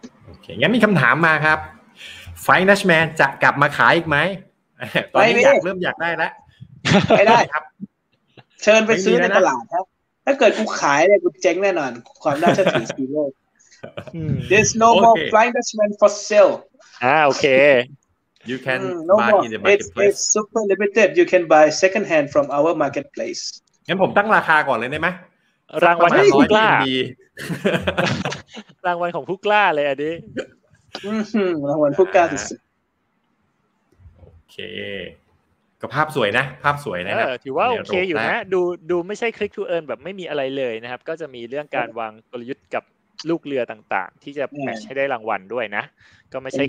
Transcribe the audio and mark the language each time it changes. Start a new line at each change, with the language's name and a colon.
Thai: Okay. งั้นมีคำถามมาครับ Flying Dutchman จะกลับมาขายอีกไหมตอนนี้อยากเริ่มอยากได้แล้ว ไม่ได้ครับเชิญไปซื้อในตลาดครับถ้าเกิดกูขายเนี่ยกูเจ๊งแน่นอนความน่าเชื่อถือสีโลก
English: There's no more Flying Dutchman for sale.
Thai: โอเค
English: You can buy in the marketplace. It's super limited. You can buy second hand from our marketplace.
Thai: งั้นผมตั้งราคาก่อนเลยได้ไหม รางวัลของผู้กล้า รางวัลของผู้กล้าเลยอันนี้รางวัลผู้กล้าที่สุด โอเคก็ภาพสวยนะภาพสวยนะ ถือว่าโอเคอยู่นะดูไม่ใช่คลิกทูเอิร์นแบบไม่มีอะไรเลยนะครับก็จะมีเรื่องการวางกลยุทธ์กับลูกเรือต่างๆที่จะแมทช์ให้ได้รางวัลด้วยนะก็ไม่ใช่